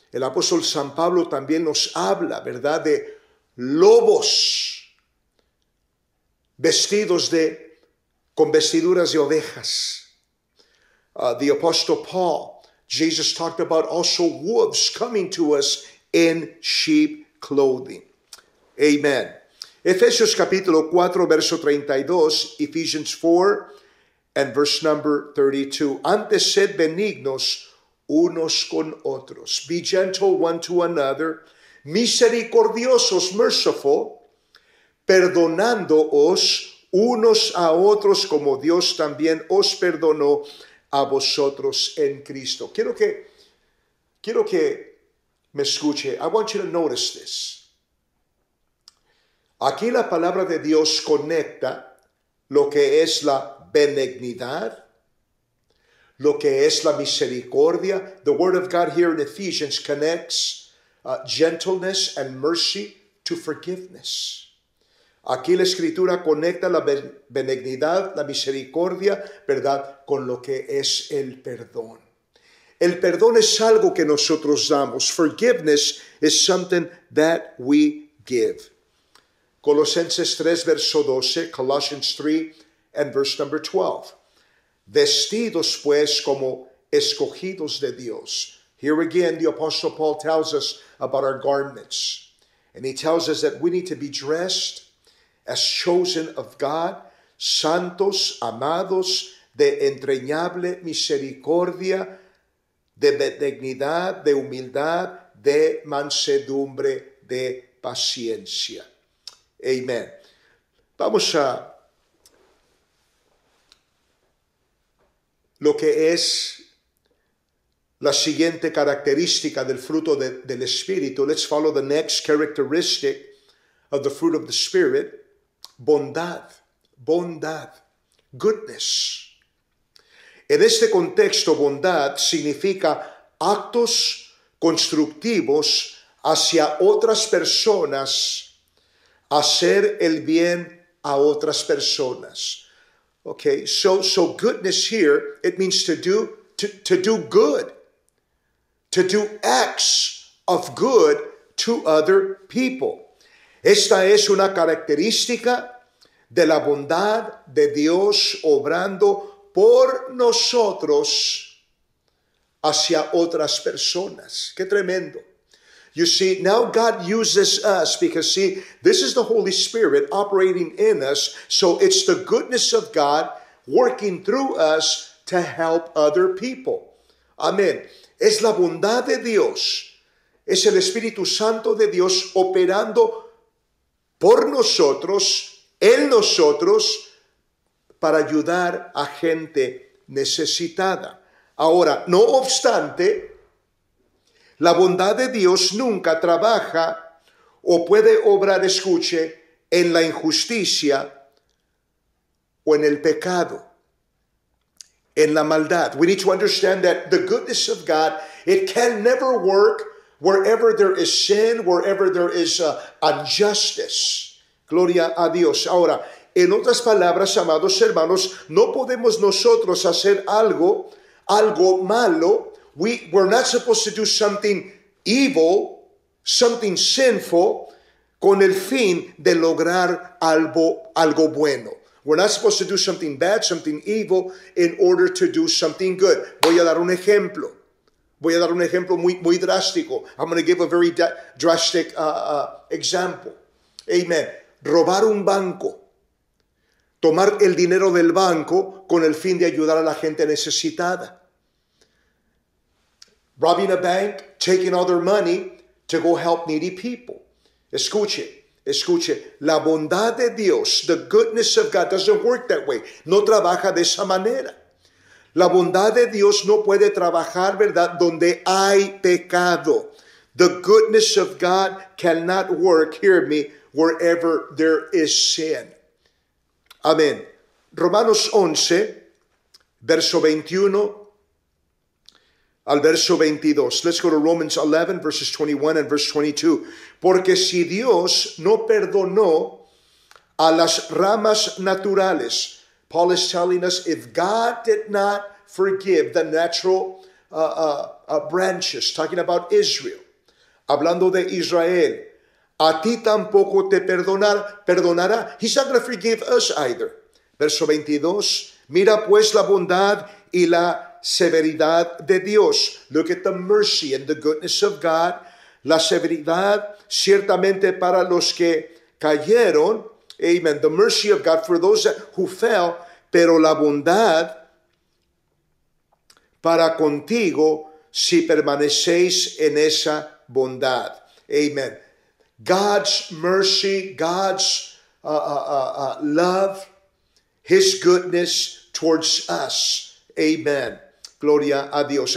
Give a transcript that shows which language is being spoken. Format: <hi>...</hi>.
<es>El apóstol San Pablo también nos habla, ¿verdad?, de lobos vestidos con vestiduras de ovejas.</es> <en>The apostle Paul, Jesus talked about also wolves coming to us in sheep clothing.</en> <es>Amen. Efesios capítulo 4, verso 32,</es> <en>Ephesians 4, and verse number 32.</en> <es>Antes sed benignos unos con otros.</es> <en>Be gentle one to another. Misericordiosos, merciful.</en> <es>Perdonándoos unos a otros como Dios también os perdonó a vosotros en Cristo. Quiero que me escuche.</es> <en>I want you to notice this.</en> <es>Aquí la palabra de Dios conecta lo que es la benignidad, lo que es la misericordia.</es> <en>The word of God here in Ephesians connects gentleness and mercy to forgiveness.</en> <es>Aquí la escritura conecta la benignidad, la misericordia, ¿verdad?, con lo que es el perdón. El perdón es algo que nosotros damos.</es> <en>Forgiveness is something that we give.</en> <es>Colosenses 3, verso 12,</es> <en>Colossians 3, and verse number 12.</en> <es>Vestidos, pues, como escogidos de Dios.</es> <en>Here again, the Apostle Paul tells us about our garments. And he tells us that we need to be dressed as chosen of God,</en> <es>santos, amados, de entrañable misericordia, de benignidad, de humildad, de mansedumbre, de paciencia.</es> <en>Amen.</en> <es>Vamos a lo que es la siguiente característica del fruto del Espíritu.</es> <en>Let's follow the next characteristic of the fruit of the Spirit.</en> <es>Bondad, bondad, goodness. En este contexto, bondad significa actos constructivos hacia otras personas, hacer el bien a otras personas.</es> <en>Okay, so goodness here, it means to do good, to do acts of good to other people.</en> <es>Esta es una característica de la bondad de Dios obrando por nosotros hacia otras personas. ¡Qué tremendo!</es> <en>You see, now God uses us because, see, this is the Holy Spirit operating in us. So it's the goodness of God working through us to help other people. Amén.</en> <es>Es la bondad de Dios es el Espíritu Santo de Dios operando por nosotros, en nosotros, para ayudar a gente necesitada. Ahora, no obstante, la bondad de Dios nunca trabaja o puede obrar, escuche, en la injusticia o en el pecado, en la maldad.</es> <en>We need to understand that the goodness of God, it can never work wherever there is sin, wherever there is injustice.</en> <es>Gloria a Dios. Ahora, en otras palabras, amados hermanos, no podemos nosotros hacer algo malo.</es> <en>We're not supposed to do something evil, something sinful,</en> <es>con el fin de lograr algo bueno.</es> <en>We're not supposed to do something bad, something evil, in order to do something good.</en> <es>Voy a dar un ejemplo. Voy a dar un ejemplo muy, muy drástico. I'm going to give a very drastic example. Amen. Robar un banco. Tomar el dinero del banco con el fin de ayudar a la gente necesitada.</es> <en>Robbing a bank, taking all their money to go help needy people.</en> <es>Escuche, la bondad de Dios,</es> <en>the goodness of God doesn't work that way.</en> <es>No trabaja de esa manera. La bondad de Dios no puede trabajar, ¿verdad?, donde hay pecado.</es> <en>The goodness of God cannot work, hear me, wherever there is sin.</en> <es>Amén. Romanos 11, verso 21 al verso 22.</es> <en>Let's go to Romans 11, verses 21 and verse 22.</en> <es>Porque si Dios no perdonó a las ramas naturales,</es> <en>Paul is telling us, if God did not forgive the natural branches, talking about Israel,</en> <es>hablando de Israel, a ti tampoco te perdonará.</es> <en>He's not going to forgive us either.</en> <es>Verso 22. Mira pues la bondad y la severidad de Dios.</es> <en>Look at the mercy and the goodness of God.</en> <es>La severidad, ciertamente para los que cayeron.</es> <en>Amen. The mercy of God for those who fell.</en> <es>Pero la bondad para contigo si permanecéis en esa bondad.</es> <en>Amen. God's mercy, God's love, His goodness towards us. Amen.</en> <es>Gloria a Dios.</es>